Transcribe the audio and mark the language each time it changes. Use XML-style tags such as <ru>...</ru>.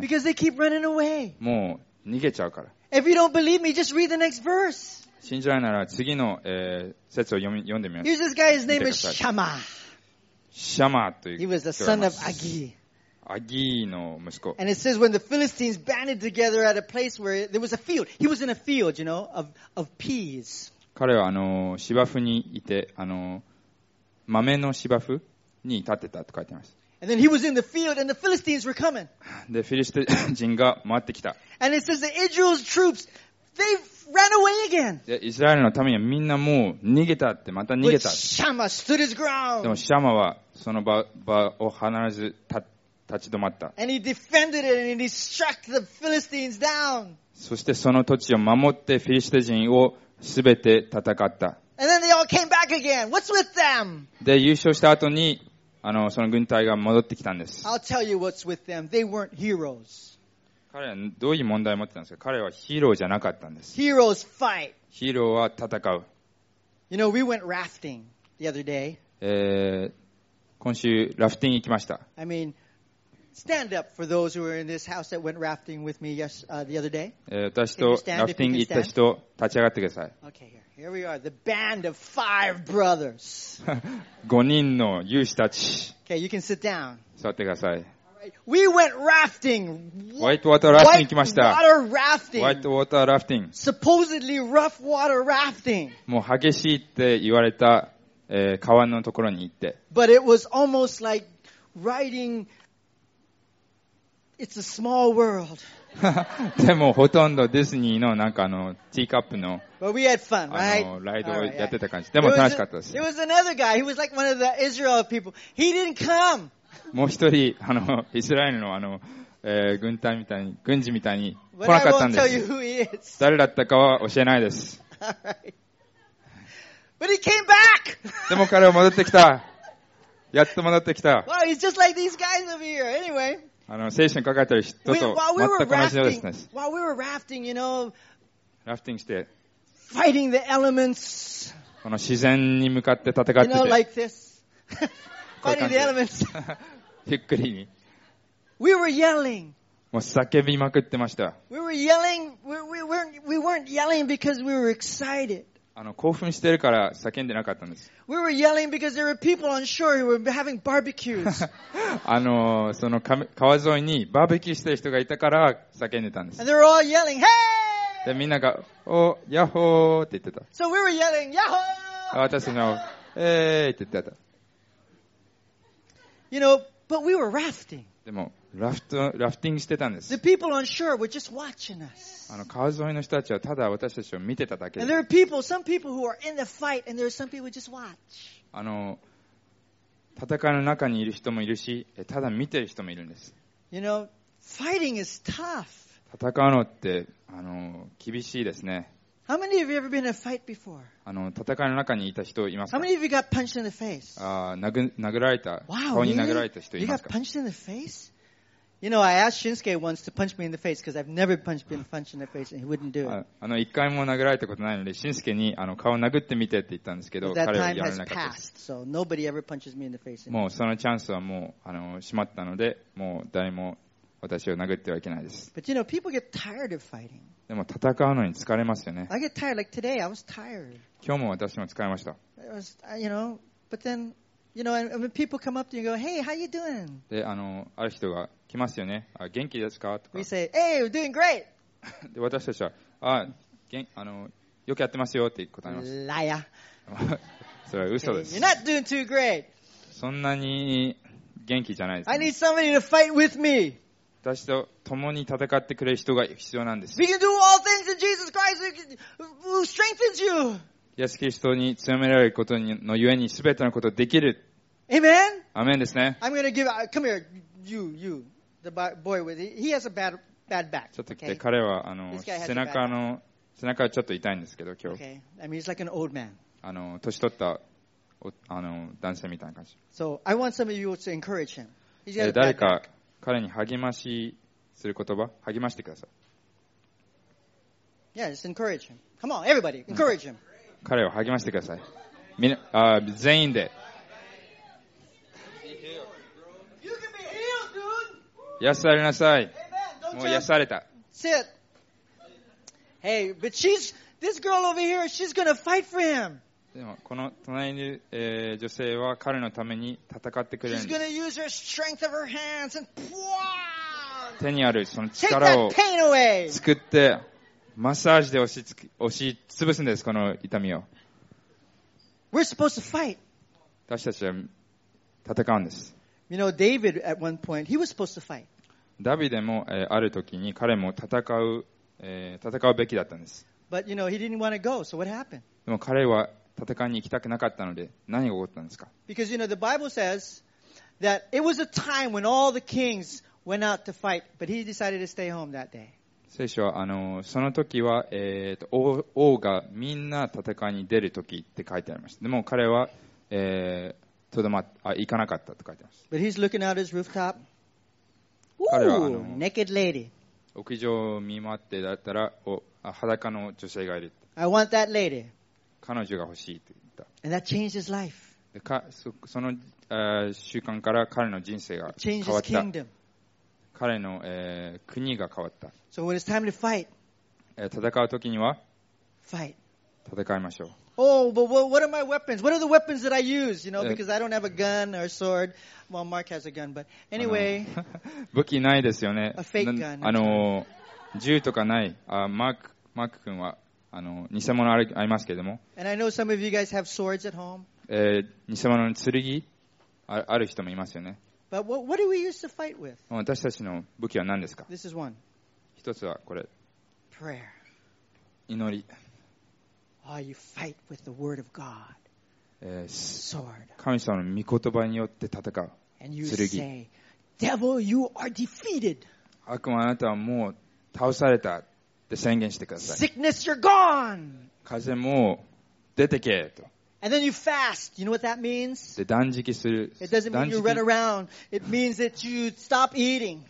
<en>Because they keep running away.</en> <ja>もう、逃げちゃうから。</ja> <en>If you don't believe me, just read the next verse.</en> <ja>信じないなら次の、節を読んでみます。</ja> <en>Here's this guy, his name is Shama.</en> <ja>Shama という。</ja> <en>He was the son of Agi.</en> <ja>Agi の息子。</ja> <en>And it says when the Philistines banded together at a place where there was a field. He was in a field, you know, of peas.</en> <ja>彼は芝生にいて、豆の芝生に立ってたと書いてます。</ja> <en>And then he was in the field and the Philistines were coming.</en> <ja>で、フィリシテ人が回ってきた。</ja> <en>And it says that Israel's troops, they ran away again.</en> <ja>で、イスラエルの民はみんなもう逃げたって、また逃げた。</ja> <en>But Shama stood his ground.</en> <ja>でも、シャマはその場を離れず立ち止まった。</ja> <en>And he defended it and he struck the Philistines down.</en> <ja>そしてその土地を守ってフィリシテ人をすべて戦った。</ja> <en>And then they all came back again. What's with them?</en> <ja>で、優勝した後にその軍隊が戻ってきたんです。</ja> <en>I'll tell you what's with them. They weren't heroes.</en> <ja>彼はどういう問題を持ってたんですか？彼はヒーローじゃなかったんです。</ja> <en>Heroes fight.</en> <ja>ヒーローは戦う。</ja> <en>You know, we went rafting the other day.</en> <ja>今週、ラフティング行きました。</ja> <en>I mean, stand up for those who were in this house that went rafting with me the other day.</en> <ja>私とラフティング行った人、立ち上がってください。</ja> <en>Okay, here. Here we are, the band of five brothers.</en> <ja>5人の勇士たち。</ja> <en>Okay, you can sit down.</en> <ja>座ってください。</ja> <en>We went rafting.</en> <ja>Whitewater rafting 行きました。</ja> <en>Whitewater rafting. Whitewater rafting. Supposedly rough water rafting.</en> <ja>もう激しいって言われた、川のところに行って。</ja> <en>But it was almost like riding. It's a small world.</en> <ja>でもほとんどディズニーのなんかティーカップの</ja> <en>But we had fun, right?</en> <ja>ライドをやってた感じ。でも楽しかったです。</ja> <en>There was another guy. He was like one of the Israel people. He didn't come.</en> <ja>もう一人イスラエルの軍隊みたいに軍事みたいに来なかったんです。</ja> <en>But I won't tell you who he is.</en> <ja>誰だったかは教えないです。</ja> <en>But he came back.</en> <ja>でも彼は戻ってきた。やっと戻ってきた。</ja> <en>Wow, he's just like these guys over here. Anyway.</en> <ja>聖書に書かれてる人と全く同じようですね。</ja> <en>While we were rafting, you know,</en> <ja>rafting して、</ja> <en>fighting the elements,</en> <ja>この自然に向かって戦ってて、</ja> <en>you know, like this, fighting the elements,</en> <ja>ゆっくりに。</ja> <en>We were yelling.</en> <ja>もう叫びまくってました。</ja> <en>We were yelling, we weren't yelling because we were excited.</en> <ja>興奮してるから叫んでなかったんです。</ja> <en>We were yelling because there were people on shore who were having barbecues.</en> <ja>その川沿いにバーベキューしてる人がいたから叫んでたんです。</ja> <en>And they were all yelling, hey!</en> <ja>で、みんなが、おー、ヤッホーって言ってた。</ja> <en>So we were yelling, ヤ</en> <ja>ッホー! 私の、えーって言ってた。</ja> <en>You know, but we were rafting.</en> <ja>でも、ラフティングしてたんです。</ja> <en>The people on shore were just watching us.</en> <ja>川沿いの人たちはただ私たちを見てただけで。</ja> <en>And there are people, some people who are in the fight, and there are some people who just watch.</en> <ja>戦いの中にいる人もいるし、ただ見てる人もいるんです。</ja> <en>You know, fighting is tough.</en> <ja>戦うのって厳しいですね。</ja> <en>How many of you ever been in a fight before?</en> <ja>戦いの中にいた人いますか？</ja> <en>How many of you got punched in the face?</en> <ja>殴られた。</ja> <en>Wow,</en> <ja>顔に殴られた人いますか？</ja> <en>You got punched in the face? You know, I asked Shinsuke once to punch me in the face because I've never punched in the face and he wouldn't do it.</en> <ja>一回も殴られたことないので、Shinsuke に顔を殴ってみてって言ったんですけど、彼はやらなかった。</ja> <en>That time has passed, so nobody ever punches me in the face.</en> <ja>もうそのチャンスはもう閉まったので、もう誰も私を殴ってはいけないです。</ja> <en>But you know, people get tired of fighting.</en> <ja>でも戦うのに疲れますよね。</ja> <en>I get tired, like today, I was tired.</en> <ja>今日も私も疲れました。</ja> <en>It was, you know, but then, you know, and when people come up to you and go, hey, how you doing?</en> <ja>で、ある人が、来ますよね。あ、元気ですかとか。</ja> <en>We say, hey, we're doing great!</en> <ja>で、私たちは、あ、よくやってますよって答えます。</ja> <en>Liar!</en> <ja>それは嘘です。</ja> <en>Okay. You're not doing too great!</en> <ja>そんなに元気じゃないです、ね。</ja> <en>I need somebody to fight with me!</en> <ja>私と共に戦ってくれる人が必要なんです。</ja> <en>We can do all things in Jesus Christ who strengthens you.</en> <ja>イエスキリストに強められることのゆえに全てのことができる。</ja> <en>Amen?</en> <ja>アメンですね。</ja> <en>I'm gonna give, come here, you, the boy with, he has a bad back.</en> <ja>ちょっと来て、彼は、背中はちょっと痛いんですけど、今日。</ja> <en>Okay. I mean, he's like an old man.</en> <ja>年取った、男性みたいな感じ。</ja> <en>So, I want some of you to encourage him. He's got a bad back.</en> <ja>誰か、彼に励ましする言葉、励ましてください。</ja> <en>Yeah, just encourage him. Come on, everybody, encourage him.</en> <ja>彼を励ましてください。みんな、全員で。癒されなさい。もう癒された。</ja> <en>Sit. Hey, but she's this girl over here. She's gonna fight for him.</en> <ja>でもこの隣にいる、女性は彼のために戦ってくれるんです。</ja> <en>She's gonna use her strength of her hands and pwah!</en> <ja>手にあるその力を作ってマッサージで押し潰すんですこの痛みを。</ja> <en>We're supposed to fight.</en> <ja>私たちは戦うんです。</ja> <en>You know, David at one point, he was supposed to fight.</en> <ja>ダビデも、ある時に彼も戦うべきだったんです。</ja> <en>But you know, he didn't want to go, so what happened?</en> <ja>でも彼は戦いに行きたくなかったので、何が起こったんですか?</ja> <en>Because you know, the Bible says that it was a time when all the kings went out to fight, but he decided to stay home that day.</en> <ja>聖書は、その時は、王がみんな戦いに出る時って書いてありました。でも彼は、行かなかったと書いてます。</ja> <en>But he's looking out his rooftop. Ooh, naked lady.</en> <ja>屋上を見回ってだったら、裸の女性がいる。</ja> <en>I want that lady.</en> <ja>彼女が欲しいと言った。</ja> <en>And that changed his life.</en> <ja>で、その習慣から彼の人生が変わった。</ja> <en>Changed his kingdom.</en> <ja>彼の、国が変わった。</ja> <en>So when it's time to fight.</en> <ja>戦う時には、</ja> <en>fight.</en> <ja>戦いましょう。</ja> <en>Oh, but what are my weapons? What are the weapons that I use? You know, because I don't have a gun or a sword. Well, Mark has a gun, but anyway.</en> <ja>武器ないですよね。</ja> <en>A fake gun.</en> <ja>銃とかない。マーク君は、偽物ありますけれども。</ja> <en>And I know some of you guys have swords at home.</en> <ja>偽物の剣ある人もいますよね。</ja> <en>But what do we use to fight with?</en> <ja>私たちの武器は何ですか?</ja> <en>This is one.</en> <ja>一つはこれ。</ja> <en>Prayer.</en> <ja>祈り。</ja> <en>Oh, you fight with the word of God. Sword.</en> <ja>神様の御言葉によって戦う。剣。</ja> <en>And you say, Devil, you are defeated.</en> <ja>悪魔あなたはもう倒されたって宣言してください。</ja> <en>Sickness, you're gone.</en> <ja>風邪もう出てけと。</ja> <en>And then you fast. You know what that means?</en> <ja>で断食する。</ja> <en>It doesn't mean you run around. It means that you stop eating.</en>